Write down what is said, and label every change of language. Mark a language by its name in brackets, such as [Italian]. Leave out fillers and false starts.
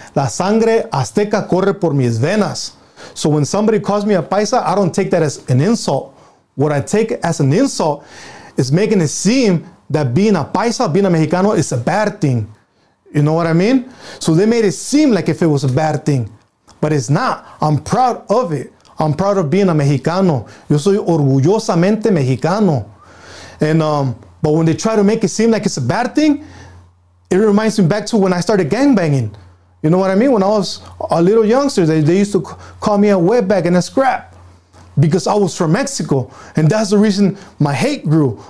[Spanish] La sangre azteca corre por mis venas. [English] So when somebody calls me a paisa, I don't take that as an insult. What I take as an insult is making it seem that being a paisa, being a mexicano, is a bad thing. You know what I mean? So they made it seem like if it was a bad thing. But it's not. I'm proud of it. I'm proud of being a mexicano. [Spanish] Yo soy orgullosamente mexicano. [English] And but when they try to make it seem like it's a bad thing, it reminds me back to when I started gangbanging. You know what I mean? When I was a little youngster, they used to call me a wetbag and a scrap. Because I was from Mexico. And that's the reason my hate grew.